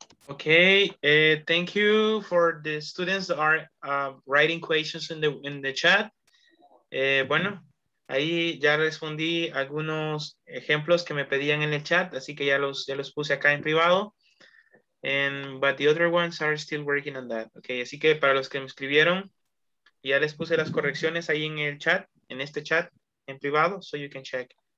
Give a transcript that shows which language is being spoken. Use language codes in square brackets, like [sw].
[en] Okay, thank you for the students that are writing questions in the chat. [es] Bueno, ahí ya respondí algunos ejemplos que me pedían en el chat, así que ya los puse acá en privado. [en] And, but the other ones are still working on that. [es] Okay, así que para los que me escribieron, ya les puse las correcciones ahí en el chat, en este chat, en privado, [en] so you can check.